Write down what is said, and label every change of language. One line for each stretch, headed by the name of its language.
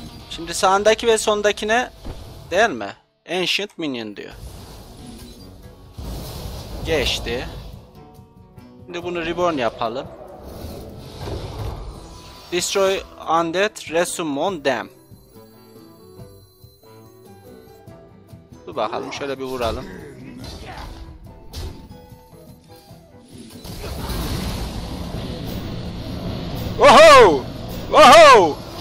Turkish: Şimdi sağındaki ve sondakine değil mi? Ancient Minion diyor. Geçti. Şimdi bunu reborn yapalım.
English: Destroy undead, resummon them.
Turkish: Dur bakalım, şöyle bir vuralım. Oho! Oho!